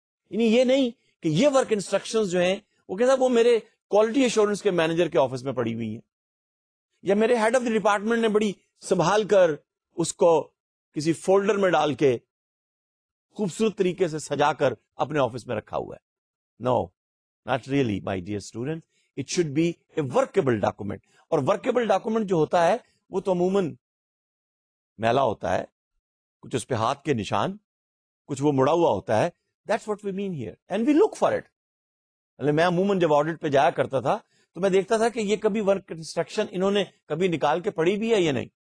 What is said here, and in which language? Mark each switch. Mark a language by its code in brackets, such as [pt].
[ur] یعنی یہ نہیں کہ یہ ورک انسٹرکشنز جو ہیں وہ کہتا وہ میرے کوالٹی ایشورنس کے مینیجر کے آفس میں پڑی ہوئی ہیں, یا میرے ہیڈ آف دی ڈپارٹمنٹ نے بڑی سنبھال کر اس کو کسی فولڈر میں ڈال کے خوبصورت طریقے سے سجا کر اپنے آفس میں رکھا ہوا ہے. [en] No, not really my dear student. It should be a workable document. [ur] اور ورکیبل ڈاکومنٹ جو ہوتا ہے وہ تو عموماً میلا ہوتا ہے, کچھ اس پہ ہاتھ کے نشان, کچھ وہ مڑا ہوا ہوتا ہے. [en] That's what we mean here and we look for it. [ur] میں عموماً جب آڈٹ پہ جایا کرتا تھا تو میں دیکھتا تھا کہ یہ کبھی ورک انسٹرکشن انہوں نے کبھی نکال کے پڑھی بھی ہے یا نہیں.